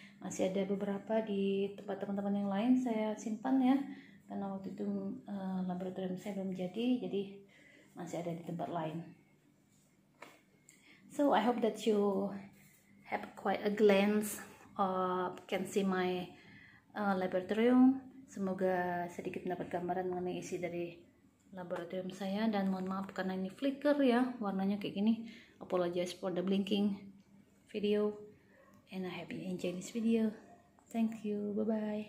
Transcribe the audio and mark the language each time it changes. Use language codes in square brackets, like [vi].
[id] Masih ada beberapa di tempat teman-teman yang lain saya simpan ya. Karena waktu itu laboratorium saya belum jadi masih ada di tempat lain. [en] So I hope that you have quite a glance or can see my laboratorium. [id] Semoga sedikit mendapat gambaran mengenai isi dari laboratorium saya, dan mohon maaf karena ini flicker ya, warnanya kayak gini. [en] Apologize for the blinking video, and I hope you enjoy this video. Thank you, bye bye.